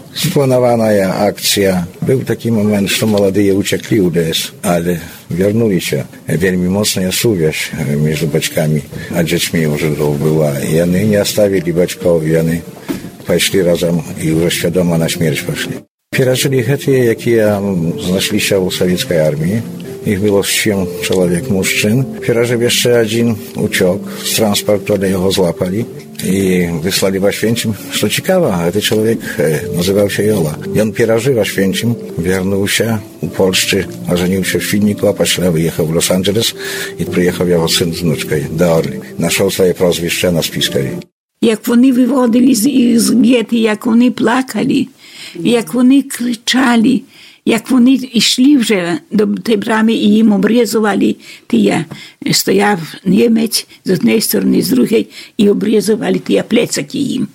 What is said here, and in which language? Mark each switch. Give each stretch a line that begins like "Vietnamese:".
Ukrainian: Спланована акція, був такий момент, що молоді утекли у ДС, але вернулися. Вельми моцна сув'язь між батьками, а дітьми вже дому була, і вони не оставили батьків, і вони пішли разом і вже свідомо на смерть пішли.
Belarusian: Перажылі гэтыя, якія знайшліся ў савецкай арміі. Іх было 7 чалавек, мужчын. Перажыў яшчэ адзін уцёк з транспарту, але яго злапалі. І выслалі ў Ашвенчым. Што цікава, гэты чалавек называўся Йола. Ён перажыў Ашвенчым, вернуўся ў Польшчы, ажаніўся ў Фінніку, а пасля выехаў у Лос-Анджелес і прыехаў яго сын з внучкай да Орлі. Нашоў свае прозвішча на спіскаві.
Ukrainian: Як вони виводили з їх з гетти, як вони плакали, як вони кричали, як вони йшли вже до тієї брами і їм обрізували тія. Стояв німець з однієї сторони, з другої, і обрізували тія плецаки їм.